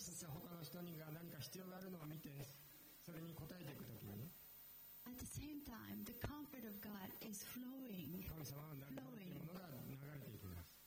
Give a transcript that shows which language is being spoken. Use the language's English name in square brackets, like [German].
[Japanese] そして他の人にが何か必要があるのを見て、それに応えていくときに、 [English] At the same time, the comfort of God is flowing, [Japanese] 神様の慰めというものが流れていきます。